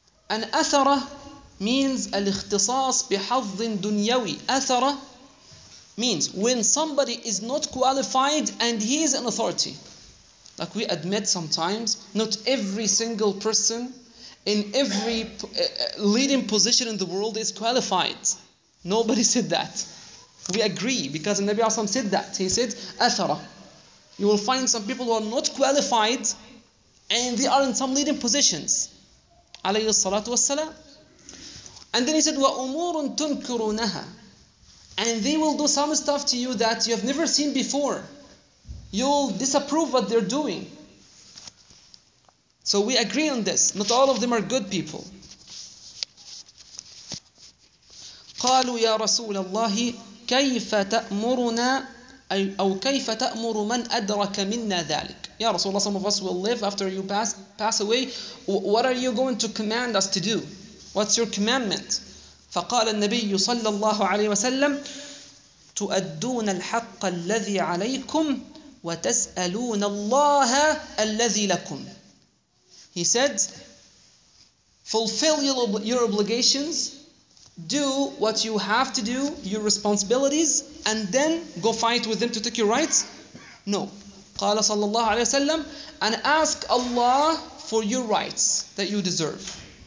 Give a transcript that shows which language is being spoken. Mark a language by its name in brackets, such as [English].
[English] An [Arabic] أثرة [English] means [Arabic] الاختصاص بحظ دنيوي. [English] أثرة means when somebody is not qualified and he is an authority. Like we admit sometimes, not every single person in every leading position in the world is qualified. Nobody said that. We agree because the Nabi Asam said that. He said, أثرة. You will find some people who are not qualified and they are in some leading positions. [Arabic] عليه الصلاة والسلام. [English] And then he said, [Arabic] وَأُمُورٌ تُنْكُرُونَهَا. [English] And they will do some stuff to you that you have never seen before. You'll disapprove what they're doing. So we agree on this. Not all of them are good people. [Arabic] قَالُوا يَا رَسُولَ اللَّهِ كَيْفَ تَأْمُرُنَا أَوْ كَيْفَ تَأْمُرُ مَنْ أَدْرَكَ مِنَّا ذَلِكَ. [English] Ya Rasulullah, some of us will live after you pass away. What are you going to command us to do? What's your commandment? [Arabic] فقال النبي صلى الله عليه وسلم تؤدون الحق الذي عليكم وتسألون الله الذي لكم. [English] He said, fulfill your obligations, do what you have to do, your responsibilities, and then go fight with them to take your rights. No. [Arabic] قال صلى الله عليه وسلم, [English] and ask Allah for your rights that you deserve.